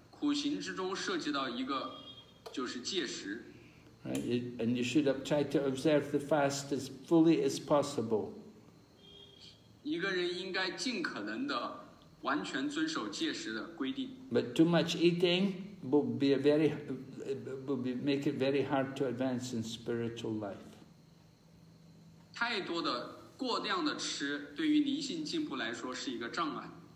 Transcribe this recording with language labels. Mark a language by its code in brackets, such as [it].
[zh] 苦行之中涉及到一个就是戒食。 [en] Right, and you should try to observe the fast as fully as possible. [zh] 一个人应该尽可能的完全遵守戒食的规定。 [en] But too much eating will make it very hard to advance in spiritual life. [zh] 太多的过量的吃对于灵性进步来说是一个障碍。